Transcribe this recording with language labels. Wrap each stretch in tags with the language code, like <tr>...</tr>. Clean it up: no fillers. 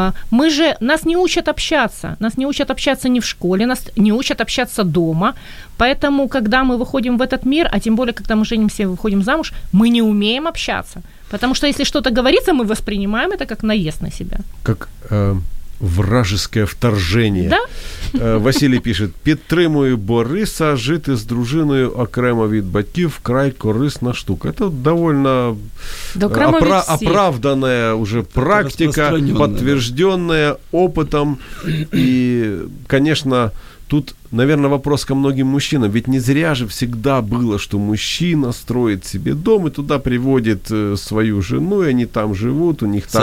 <ru>мы же, нас не учат общаться, не в школе, нас не учат общаться дома, поэтому, когда мы выходим в этот мир, а тем более, когда мы женимся и выходим замуж, мы не умеем общаться, потому что если что-то говорится, мы воспринимаем это как наезд на себя. Как... вражеское вторжение. Да?</ru> <uk>Василий пише, підтримую Бориса, жити з дружиною окремо від батьків край корисна штука.</uk> <ru>Это довольно оправданная уже практика, подтвержденная опытом. И, конечно, тут, наверное, вопрос ко многим мужчинам. Ведь не зря же всегда было, что мужчина строит себе дом и туда приводит свою жену, и они там живут, у них там...</ru>